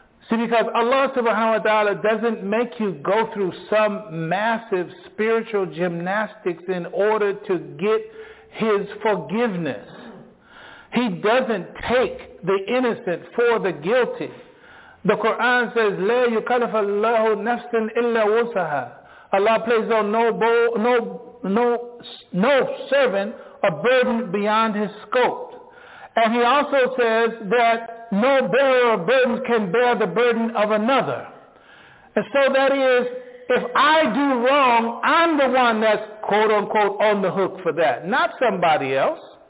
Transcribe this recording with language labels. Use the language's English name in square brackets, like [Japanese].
[English] See, because Allah subhanahu wa ta'ala doesn't make you go through some massive spiritual gymnastics in order to get his forgiveness. He doesn't take the innocent for the guilty. The Quran says, [Arabic] لَا يُكَلِفَ اللَّهُ نَفْسٍ إِلَّا وُسْعَهَا. [English] Allah plays on no servant a burden beyond his scope. And he also says that no bearer of burdens can bear the burden of another. And so that is, if I do wrong, I'm the one that's quote unquote on the hook for that, not somebody else.